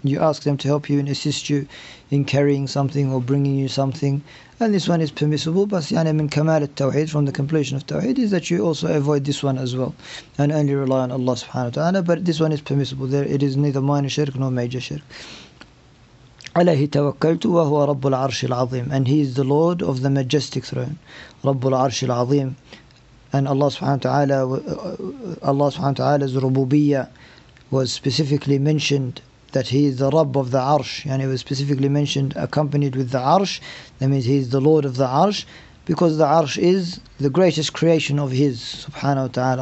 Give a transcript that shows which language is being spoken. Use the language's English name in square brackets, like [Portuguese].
[English] You ask them to help you and assist you in carrying something or bringing you something. And this one is permissible, but [Arabic] yani min kamal al-tawheed, [English] from the completion of tawheed, is that you also avoid this one as well and only rely on Allah subhanahu wa ta'ala. But this one is permissible. There, it is neither minor shirk nor major shirk. [Arabic] عليه توكلت وهو رب العرش العظيم. [English] And he is the Lord of the Majestic Throne. [Arabic] رب العرش العظيم. [English] And Allah subhanahu wa ta'ala, Allah subhanahu wa ta'ala's rububiyya was specifically mentioned, that he is the Rabb of the Arsh. And it was specifically mentioned accompanied with the Arsh. That means he is the Lord of the Arsh, because the Arsh is the greatest creation of his, subhanahu wa ta'ala.